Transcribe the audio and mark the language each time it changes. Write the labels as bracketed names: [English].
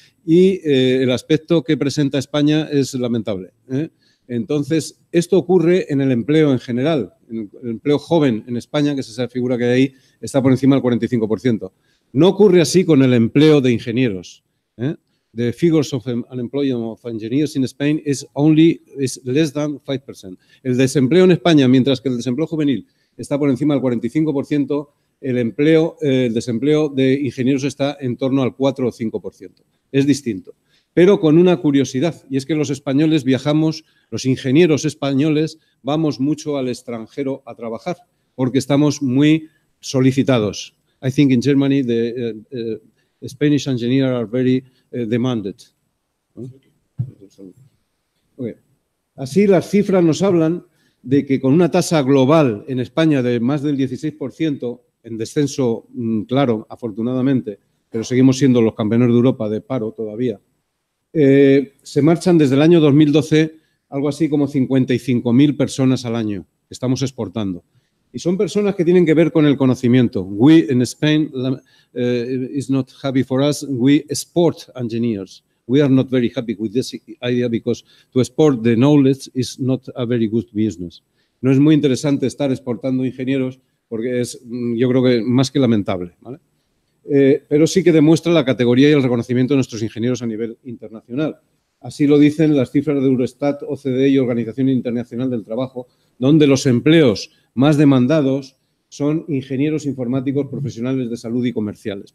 [Spanish] Y el aspecto que presenta España es lamentable, ¿eh? Entonces, esto ocurre en el empleo en general, en el empleo joven en España, que es esa figura que hay ahí, está por encima del 45%. No ocurre así con el empleo de ingenieros, ¿eh? [English] The figures of unemployment of engineers in Spain is less than 5%. [Spanish] El desempleo en España, mientras que el desempleo juvenil está por encima del 45%, el desempleo de ingenieros está en torno al 4 o 5%. Es distinto. Pero con una curiosidad, y es que los españoles viajamos, los ingenieros españoles, vamos mucho al extranjero a trabajar, porque estamos muy solicitados. [English] I think in Germany the Spanish engineers are very demanded. Okay. [Spanish] Así las cifras nos hablan de que con una tasa global en España de más del 16%, en descenso, claro, afortunadamente, pero seguimos siendo los campeones de Europa de paro todavía, se marchan desde el año 2012 algo así como 55.000 personas al año que estamos exportando. Y son personas que tienen que ver con el conocimiento. [English] We in Spain is not happy for us. We export engineers. We are not very happy with this idea because to export the knowledge is not a very good business. [Spanish] No es muy interesante estar exportando ingenieros porque es, yo creo que, más que lamentable, ¿vale? Pero sí que demuestra la categoría y el reconocimiento de nuestros ingenieros a nivel internacional. Así lo dicen las cifras de Eurostat, OCDE y Organización Internacional del Trabajo, donde los empleos más demandados son ingenieros informáticos, profesionales de salud y comerciales.